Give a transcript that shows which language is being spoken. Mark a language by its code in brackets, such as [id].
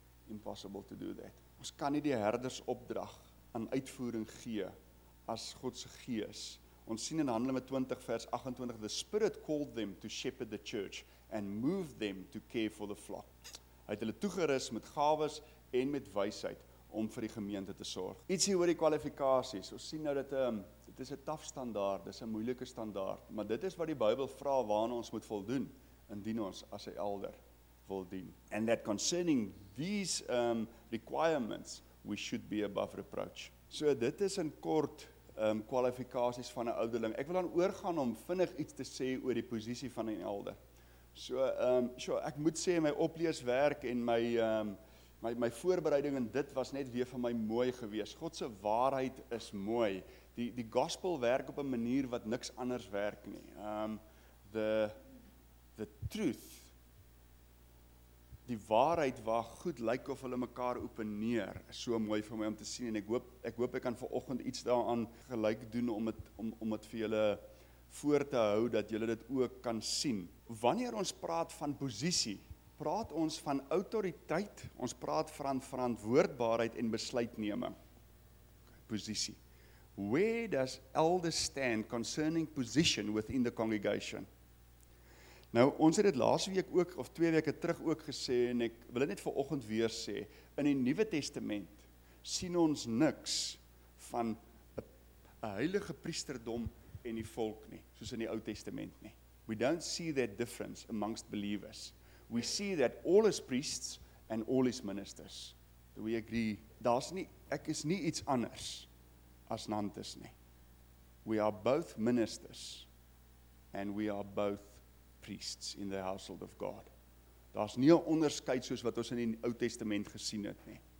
[en] Impossible to do that. [af] Ons kan nie die herders opdrag aan uitvoering gee as God se gees. Ons sien in Handelinge 20 vers 28 [en] the spirit called them to shepherd the church and move them to care for the flock. [af] Hy het hulle toegerus met gawes en met wysheid om vir die gemeente te sorg. Ietsie oor die kwalifikasies. Ons sien nou dat dit is 'n taaf standaard, dis 'n moeilike standaard, maar dit is wat die Bybel vra waarna ons moet voldoen indien ons as 'n elder wil dien. [en] And that concerning these requirements we should be above reproach. [af] So dit is in kort kwalifikasies van 'n ouderling. Ek wil dan oorgaan om vinnig iets te sê oor die posisie van 'n elder. So ek moet sê my opleeswerk en my voorbereiding en dit was net weer vir my mooi gewees. God se waarheid is mooi. Die gospel werk op 'n manier wat niks anders werk nie. [en] The truth. [af] Die waarheid waar goed lyk of hulle mekaar openeer, is so mooi vir my om te sien en ek hoop ek kan vanoggend iets daaraan gelyk doen om dit vir julle voor te hou dat julle dit ook kan sien. Wanneer ons praat van posisie, praat ons van autoriteit, ons praat van verantwoordbaarheid en besluitneming. Posisie. [en] Where does elders stand concerning position within the congregation? [af] Nou, ons het dit laas week ook, of twee weke terug ook gesê, en ek wil dit net vanoggend weer sê, in die Nuwe Testament sien ons niks van 'n heilige priesterdom en die volk nie, soos in die Ou Testament nie. [en] We don't see that difference amongst believers. We see that all is priests and all is ministers. Do we agree? [af] Ek is nie iets anders as Nantes nie. [en] We are both ministers and we are both priests in the household of God. [af] Daar's nie 'n onderskeid soos wat ons in die Ou Testament gesien het nie.